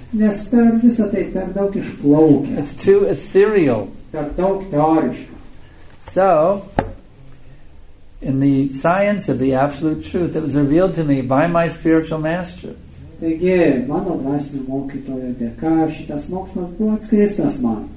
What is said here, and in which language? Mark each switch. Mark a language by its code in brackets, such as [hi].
[lt] Nes per visą tai per daug išplaukia. [en] It's too ethereal. [lt] Per daug teoriška. [en] So, in the science of the absolute truth that was revealed to me by my spiritual master. [lt] Taigi, mano dvasinio mokytojo dėka šitas mokslas buvo atskristas man.